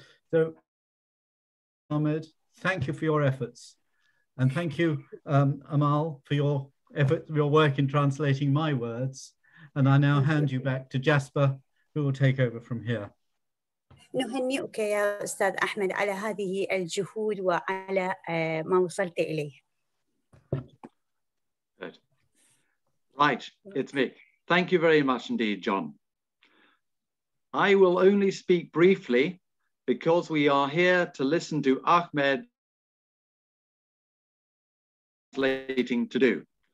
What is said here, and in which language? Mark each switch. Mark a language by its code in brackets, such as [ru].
[en] So, Ahmed, thank you for your efforts. And thank you, Amal, for your effort, your work in translating my words. And I now hand you back to Jasper, who will take over from here. [ar] نهنئك يا أستاذ أحمد على هذه الجهود وعلى ما وصلت إليه. [en] Good. Right, it's me. Thank you very much indeed, John. I will only speak briefly because we are here to listen to Ahmed translating to do.